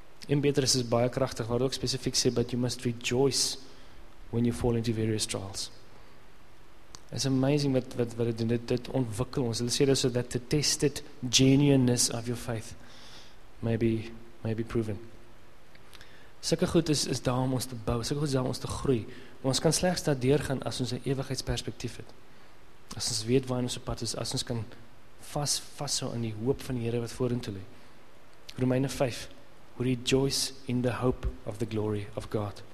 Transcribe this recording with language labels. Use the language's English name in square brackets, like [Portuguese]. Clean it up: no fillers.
[Afrikaans] En Petrus is baie krachtig, waar het ook spesifiek sê, [English] but you must rejoice when you fall into various trials. It's amazing [Afrikaans] wat het doen, dit ontwikkel ons. Hulle sê dit [English] so that the tested genuineness of your faith may be proven. [Afrikaans] Sulke goed is daar om ons te bou, sulke goed is daar om ons te groei. Maar ons kan slegs daardeur gaan as ons 'n ewigheidsperspektief het. As ons weet waar ons op pad is, as ons kan vashou in die hoop van die Here wat vorentoe lê. Romeine 5. [English] Rejoice in the hope of the glory of God.